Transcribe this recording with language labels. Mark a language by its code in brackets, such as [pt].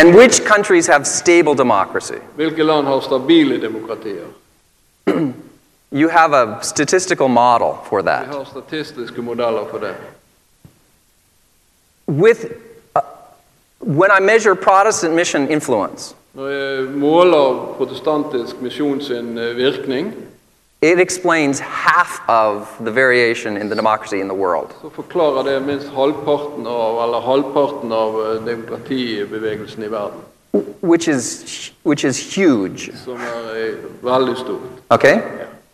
[en] And which countries have stable democracy. [no] Hvilke land har stabile demokratier. [en] You have a statistical model for that. [no] Vi har statistiske modeller for det. [en] With... when I measure Protestant mission influence, [no] når jeg måler protestantisk misjonsinvirkning, [en] it explains half of the variation in the democracy in the world. [no] Så forklarer det minst halvparten av, eller halvparten av demokratibevegelsen I verden. [en] Which is huge. [no] Som veldig stort. [en] Okay.